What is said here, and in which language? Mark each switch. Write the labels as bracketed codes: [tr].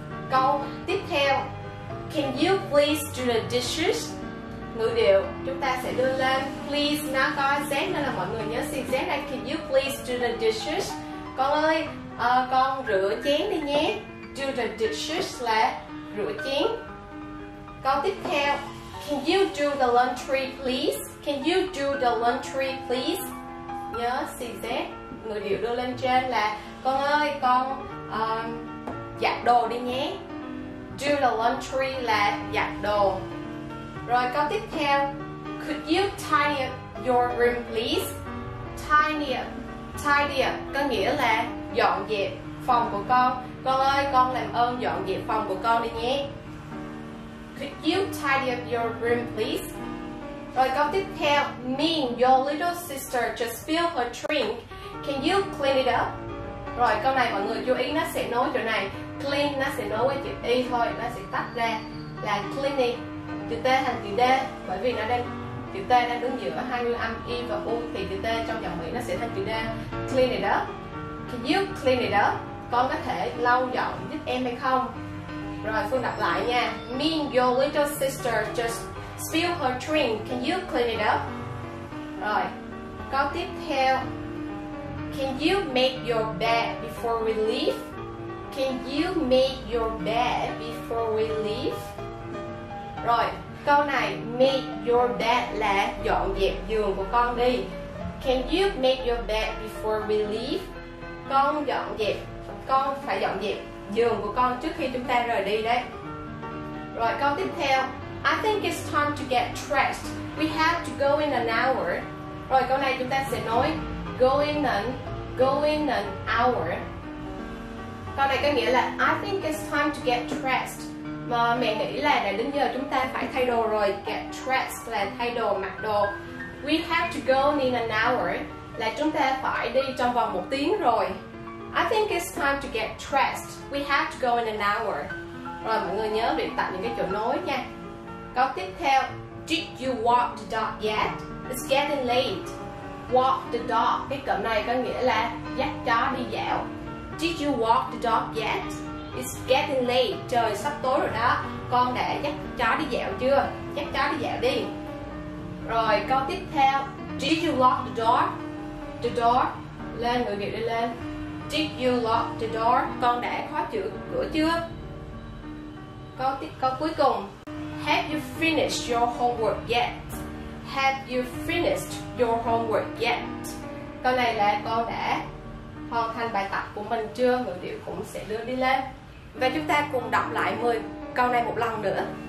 [vi] Câu tiếp theo, [en] can you please do the dishes? [vi] Ngữ điệu chúng ta sẽ đưa lên, please nó có z nên là mọi người nhớ xin z ra. [en] Can you please do the dishes? [vi] Con ơi, con rửa chén đi nhé. [en] Do the dishes [vi] là rửa chén. Câu tiếp theo, [en] can you do the laundry please? Can you do the laundry please? [vi] Nhớ xin z, ngữ điệu đưa lên trên là con ơi, con giặt đồ đi nhé. [en] Do the laundry [vi] là giặt đồ. Rồi câu tiếp theo, [en] could you tidy up your room please? Tidy up, tidy up [vi] có nghĩa là dọn dẹp phòng của con. Con ơi, con làm ơn dọn dẹp phòng của con đi nhé. [en] Could you tidy up your room please? [vi] Rồi câu tiếp theo, [en] mean your little sister just spilled her drink, can you clean it up? [vi] Rồi câu này mọi người chú ý, nó sẽ nói chỗ này clean, nó sẽ nói với chữ y thôi, nó sẽ tách ra là clean it, chữ t thành chữ d, bởi vì nó đang chữ t đang đứng giữa hai nguyên âm y và u thì chữ t trong dòng Mỹ nó sẽ thành chữ d. [en] Clean it up, can you clean it up? [vi] Con có thể lau dọn giúp em hay không? Rồi Phương đọc lại nha. [en] Mean your little sister just spill her drink, can you clean it up? [vi] Rồi câu tiếp theo, [en] can you make your bed before we leave? Can you make your bed before we leave? [vi] Rồi, câu này [en] make your bed [vi] là dọn dẹp giường của con đi. [en] Can you make your bed before we leave? [vi] Con dọn dẹp, con phải dọn dẹp giường của con trước khi chúng ta rời đi đấy. Rồi, câu tiếp theo, [en] I think it's time to get dressed. We have to go in an hour. [vi] Rồi, câu này chúng ta sẽ nói [en] go in an hour. [vi] Câu này có nghĩa là [en] I think it's time to get dressed. [vi] Mà mẹ nghĩ là đã đến giờ chúng ta phải thay đồ rồi. Get dressed là thay đồ, mặc đồ. [en] We have to go in an hour [vi] là chúng ta phải đi trong vòng một tiếng rồi. [en] I think it's time to get dressed. We have to go in an hour. [vi] Rồi mọi người nhớ luyện tập những cái chỗ nối nha. Câu tiếp theo, [en] did you walk the dog yet? It's getting late. Walk the dog, [vi] cái cụm này có nghĩa là dắt chó đi dạo. [en] Did you walk the dog yet? It's getting late. [vi] Trời sắp tối rồi đó. Con đã dắt chó đi dạo chưa? Dắt chó đi dạo đi. Rồi câu tiếp theo, [en] did you lock the door? The door. [vi] Lên ngữ điệu đi lên. [en] Did you lock the door? [vi] Con đã khóa cửa chưa? Câu cuối cùng, [en] have you finished your homework yet? Have you finished your homework yet? [vi] Câu này là con đã hoàn thành bài tập của mình chưa, ngữ điệu cũng sẽ đưa đi lên. Và chúng ta cùng đọc lại 10 câu này một lần nữa.